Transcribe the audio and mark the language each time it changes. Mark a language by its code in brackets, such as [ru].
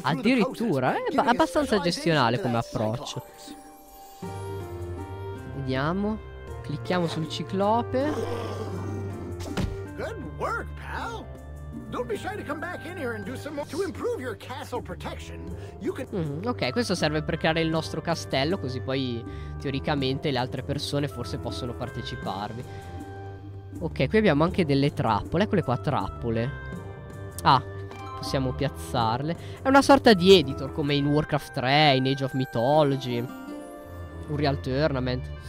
[it] Addirittura, è abbastanza gestionale come approccio. Vediamo. Clicchiamo sul ciclope. [en] Good work, pal. Don't be shy to come back in here and do some to improve your castle protection. You can [it] ok, questo serve per creare il nostro castello, così poi teoricamente le altre persone forse possono parteciparvi. Ok, qui abbiamo anche delle trappole, eccole qua, trappole. Ah, possiamo piazzarle. È una sorta di editor come in Warcraft 3, in Age of Mythology, Unreal Tournament.